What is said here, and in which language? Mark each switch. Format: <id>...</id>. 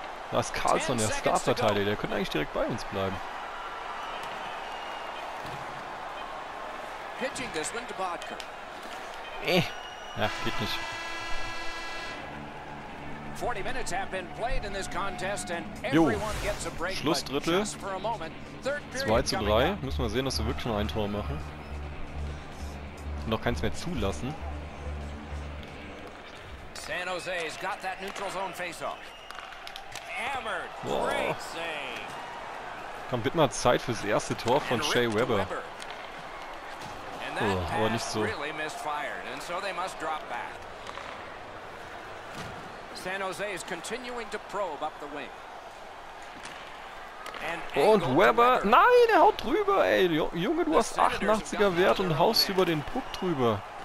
<de>Da ist Karlsson, der Starverteidiger. Der könnte eigentlich direkt bei uns bleiben.</de> <en>Pitching this one to Bodker.</en> <de>Ja, geht nicht.</de> <en>40 minutes have been played in this contest and everyone gets a break.</en> <de>Schlussdrittel. 2-3. Müssen wir sehen, dass wir wirklich nur ein Tor machen. Und noch keins mehr zulassen.</de> <en>Jose's got that neutral zone faceoff. Hammered. Whoa. Great save.</en> <de>Komm, wird mal Zeit fürs erste Tor von Shea Weber. Oh, aber nicht so.</de> <en>Really missed fired, and so they must drop back. San Jose is continuing to probe up the wing.</en> <de>Und Weber, nein, er haut drüber, ey. Junge, du hast 88er Wert und haust über den Puck drüber.</de>